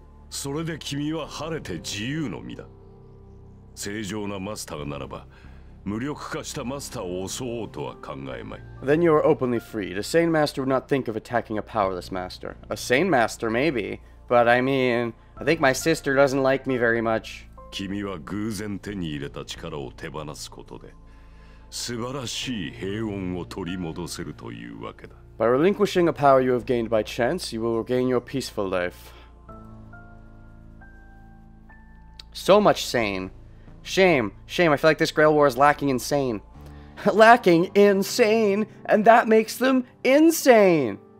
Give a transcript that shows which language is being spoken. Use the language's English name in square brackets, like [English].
[Japanese] それで君は晴れて自由の身だ。正常なマスターならば、無力化したマスターを襲おうとは考えまい。 [English] Then you are openly freed. A sane master would not think of attacking a powerless master. A sane master, maybe. But I mean, I think my sister doesn't like me very much. [Japanese] 君は偶然手に入れた力を手放すことで、素晴らしい平穏を取り戻せるというわけだ。 [English] By relinquishing a power you have gained by chance, you will regain your peaceful life. So much sane. Shame. I feel like this Grail War is lacking insane. Lacking insane, and that makes them insane.